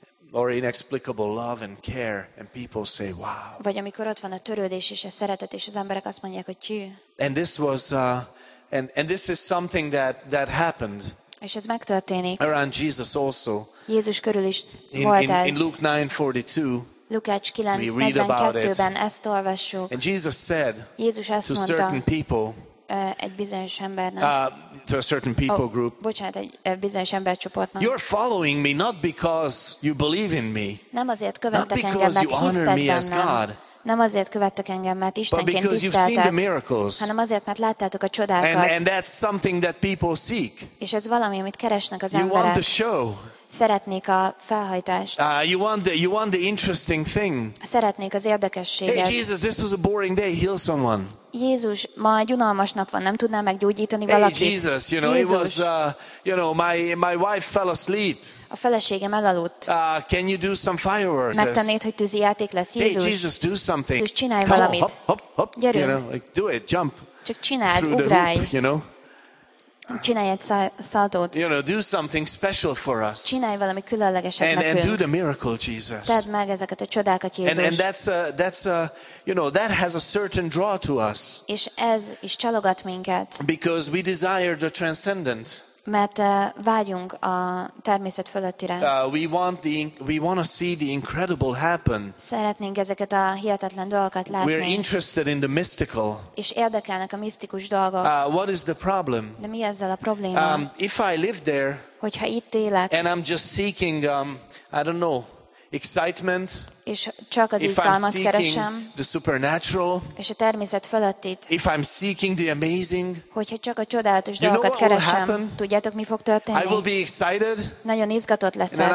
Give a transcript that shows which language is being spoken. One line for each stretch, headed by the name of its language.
English: or inexplicable love and care, and people say, wow.
Hungarian: Vagy amikor ott van a törődés és a szeretet, és az emberek azt mondják, hogy tű.
English: And this was, and this is something that happened.
Hungarian: És ez megtörténik.
English: Around Jesus also.
Hungarian: Jézus körül is volt ez.
English: In Luke 9:42.
Hungarian: Lukács 9:42-ben ezt olvassuk.
English: And Jesus said,
Hungarian: Jézus azt mondta,
English: to certain people,
Hungarian: egy bizonyos embernek,
English: to a certain people group.
Hungarian: Bocsánat, egy bizonyos embercsoportnak.
English: You're following me not because you believe in me.
Hungarian: Nem azért követtek engem, mert hisztek bennem. Nem azért követtek engem, mert Istenként tiszteltek. Hanem azért, mert láttátok a csodákat.
English: And that's something that people seek.
Hungarian: És ez valami, amit keresnek az
English: you
Hungarian: emberek.
English: You want the show.
Hungarian: Szeretnék a felhajtást.
English: You want the interesting thing.
Hungarian: Szeretnék az érdekességet.
English: Hey Jesus, this was a boring day. Heal someone.
Hungarian: Jézus, ma egy unalmas nap van, nem tudnám meggyógyítani valakit.
English: Hey Jesus, you know, Jézus. It was my wife fell asleep.
Hungarian: A feleségem elaludt.
English: Can you do some fireworks?
Hungarian: Megtennéd, hogy tűzi játék lesz, Jézus.
English: Hey Jesus, do something.
Hungarian: Jézus, csinálj
English: Come
Hungarian: valamit.
English: On, hop.
Hungarian: Gyerünk.
English: You know, like, do it, jump.
Hungarian: Csak csináld, ugrálj.
English: You know?
Hungarian: Csinálj egy szaltót.
English: You know, do something special for us.
Hungarian: Csinálj valami különlegeset
English: and,
Hungarian: nekünk.
English: And do the miracle, Jesus.
Hungarian: Tedd meg ezeket a csodákat, Jézus.
English: And that has a certain draw to us.
Hungarian: És ez is csalogat minket.
English: Because we desire the transcendent.
Hungarian: Mert vágyunk a természet fölöttire.
English: We want to see the incredible happen.
Hungarian: Szeretnénk ezeket a hihetetlen dolgokat látni.
English: We're interested in the mystical.
Hungarian: És érdekelnek a misztikus dolgok.
English: What is the problem?
Hungarian: De mi ezzel a probléma?
English: If I live there,
Hungarian: hogyha itt élek,
English: and I'm just seeking, I don't know, excitement,
Hungarian: és csak az izgalmat keresem,
English: the supernatural,
Hungarian: és a természet fölöttit,
English: if I'm seeking the amazing,
Hungarian: hogyha csak a csodálatos dolgokat keresem, tudjátok, mi fog történni?
English: I will be excited,
Hungarian: nagyon izgatott leszek,